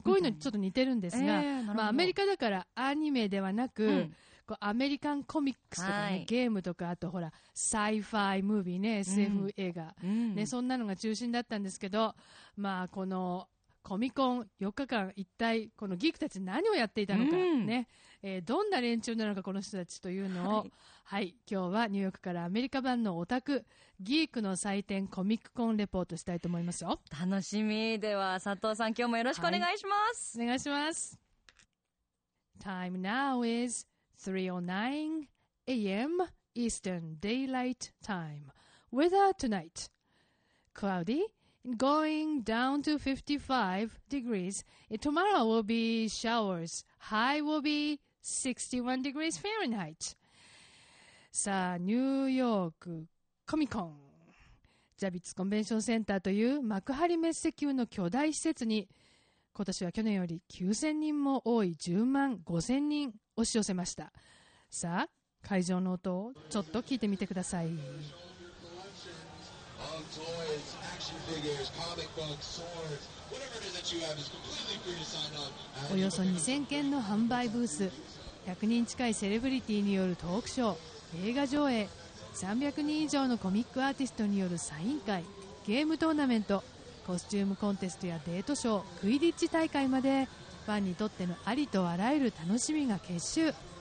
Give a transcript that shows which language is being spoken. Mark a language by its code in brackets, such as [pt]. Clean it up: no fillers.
[ja] こういうのにちょっと似てるんですが、まあ、アメリカだからアニメではなく、こうアメリカンコミックスとか、ね、はい、ゲームとか、あとほらサイファイムービーね、 SF 映画、ね、そんなのが中心だったんですけど、まあ、このコミコン4日間、一体このギークたち何をやっていたのか、ね、どんな連中なのかこの人たちというのを、はい、はい、今日はニューヨークからアメリカ版のオタクギークの祭典コミックコンレポートしたいと思いますよ。楽しみ。では佐藤さん、今日もよろしくお願いします、はい、お願いします。 [en] Time now is 3:09 AM Eastern Daylight Time. Weather tonight: CloudyGoing down to 55 degrees. Tomorrow will be showers. High will be 61 degrees Fahrenheit. [ja] さあ、ニューヨークコミコン。ジャビッツコンベンションセンターという幕張メッセ級の巨大施設に、今年は去年より9000人も多い10万5000人押し寄せました。さあ、会場の音をちょっと聞いてみてください。 [en] Toys, action figures, comic books, swords, whatever it is that you have is completely free to sign up. [ja] およそ2000件の販売ブース、100人近いセレブリティによるトークショー、映画上映、300人以上のコミックアーティストによるサイン会、ゲームトーナメント、コスチュームコンテストやデートショー、クイディッチ大会まで、ファンにとってのありとあらゆる楽しみが結集。